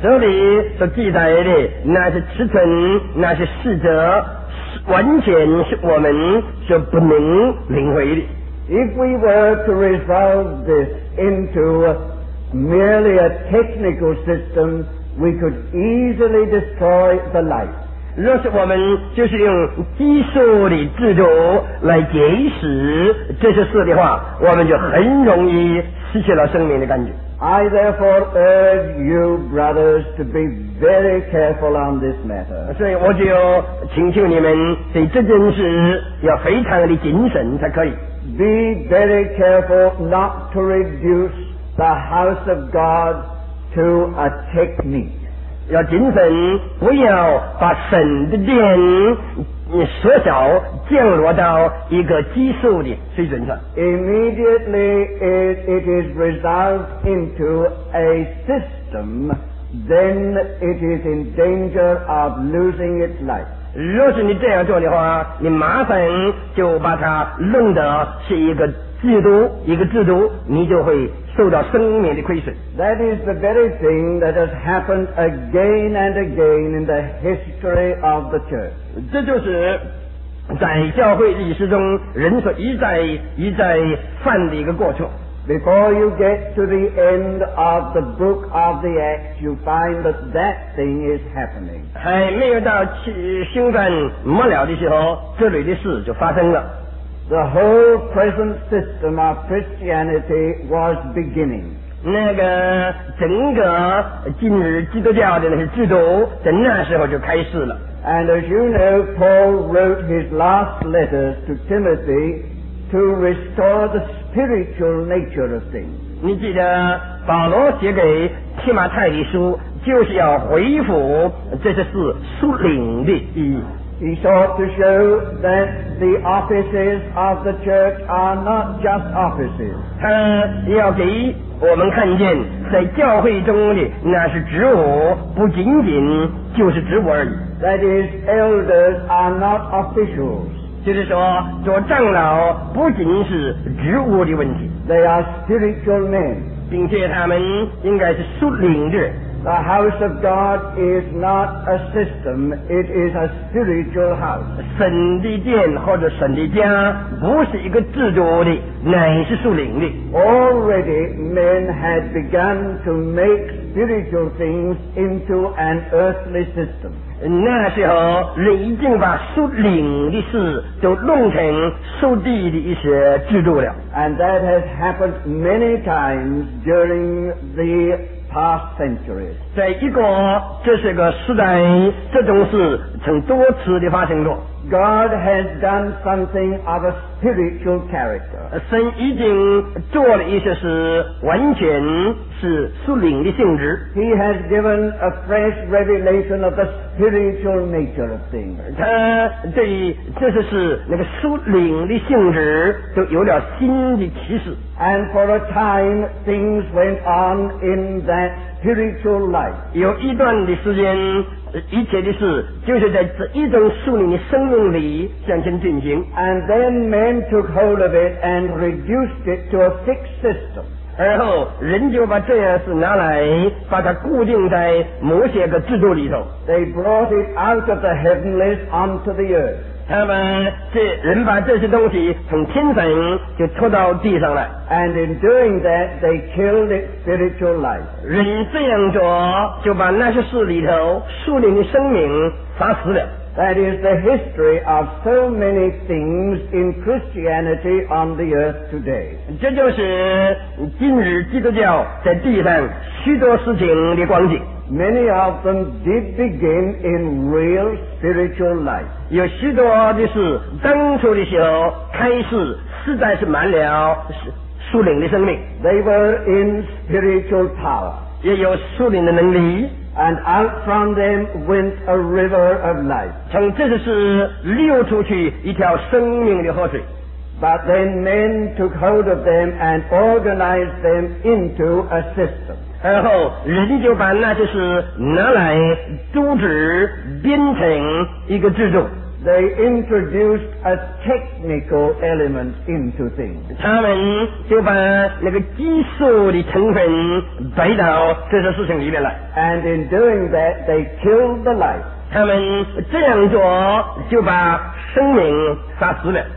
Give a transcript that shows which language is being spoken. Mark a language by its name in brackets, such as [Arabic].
[Chinese] 这里所记载的那些尺寸那些细则完全是我们所不能领会的。 [English] If we were to resolve this into merely a technical system, we could easily destroy the life. [Chinese] 若是我们就是用技术的制度来解释这些事的话，我们就很容易失去了生命的感觉。 [English] I therefore urge you, brothers, to be very careful on this matter. [Chinese] 所以我就请求你们对这件事要非常的谨慎才可以。 [English] Be very careful not to reduce the house of God to a technique. [Chinese] 要谨慎，不要把神的殿缩小降落到一个基数的水准上。 [English] Immediately it is resolved into a system, then it is in danger of losing its life. [Chinese] 若是你这样做的话，你麻烦就把它弄得是一个制度，一个制度，你就会受到生命的亏损。 [English] That is the very thing that has happened again and again in the history of the church. [Chinese] 这就是在教会历史中人所一再一再犯的一个过错。 [English] Before you get to the end of the book of the Acts, you find that that thing is happening. [Chinese] 还没有到行传末了的时候，这里的事就发生了。 [English] The whole present system of Christianity was beginning. [Chinese] 那个整个今日基督教的那些制度在那时候就开始了。 [English] And as you know, Paul wrote his last letters to Timothy to restore the spiritual nature of things. [Chinese] 你记得保罗写给提马太的书就是要恢复这些事属灵的意义。 [English] He sought to show that the offices of the church are not just offices. [Chinese] 他要给我们看见在教会中的那是职务不仅仅就是职务而已。 [English] That is, elders are not officials. [Chinese] 就是说做长老不仅是职务的问题。 [English] They are spiritual men. [Chinese] 并且他们应该是属灵的人。 [English] The house of God is not a system, it is a spiritual house. [Chinese] 神的殿或者神的家不是一个制度的，乃是属灵的。 [English] Already men had begun to make spiritual things into an earthly system. [Chinese] 那时候人已经把属灵的事都弄成属地的一些制度了。 [English] And that has happened many times during the past centuries. [Chinese] 在一个这些个时代，这种事曾多次的发生过。 [English] God has done something of a spiritual character. [Chinese] 神已经做了一些事完全是属灵的性质。 [English] He has given a fresh revelation of the spiritual nature of things. [Chinese] 他对这些事那个属灵的性质都有了新的启示。 [English] And for a time things went on in that spiritual life. [Chinese] 有一段的时间一切的事就是在这一种属灵的生命里向前进行。 [English] And then men took hold of it and reduced it to a fixed system. [Chinese] 然后人就把这样事拿来把它固定在某些个制度里头。 [English] They brought it out of the heavenlies onto the earth. [Chinese] 他们这人把这些东西从天上就拖到地上来。 [English] And in doing that, they killed its spiritual life. [Chinese] 人这样做就把那些事里头树林的生命杀死了。 [English] That is the history of so many things in Christianity on the earth today. [Chinese] 这就是今日基督教在地上许多事情的光景。 [English] Many of them did begin in real spiritual life. [Chinese] 有许多的是当初的时候开始实在是满了属灵的生命。 [English] They were in spiritual power. [Chinese] 也有属灵的能力。 [English] And out from them went a river of life. [Chinese] 从这个是流出去一条生命的河水。 [English] But then men took hold of them and organized them into a system. [Chinese] 然后人就把那就是拿来组织编成一个制度。 [English] They introduced a technical element into things. [Chinese] 他们就把那个技术的成分摆到这些事情里面来。 [English] And in doing that, they killed the life. [Chinese] 他们这样做就把生命杀死了。